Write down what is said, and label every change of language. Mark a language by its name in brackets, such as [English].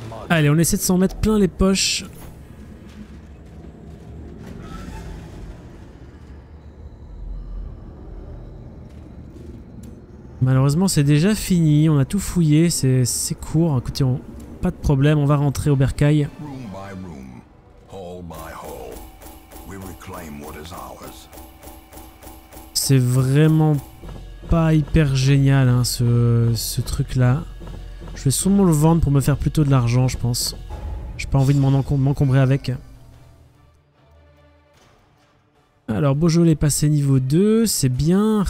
[French] Allez, on essaie de s'en mettre plein les poches. Malheureusement, c'est déjà fini. On a tout fouillé. C'est court. Écoutez, pas de problème. On va rentrer au bercail. [English] Room by room, hall by hall, we reclaim what is ours. [French] C'est vraiment pas hyper génial, hein, ce truc-là. Je vais sûrement le vendre pour me faire plutôt de l'argent, je pense. J'ai pas envie de m'encombrer avec. Alors, Beaujolais est passé niveau 2, c'est bien.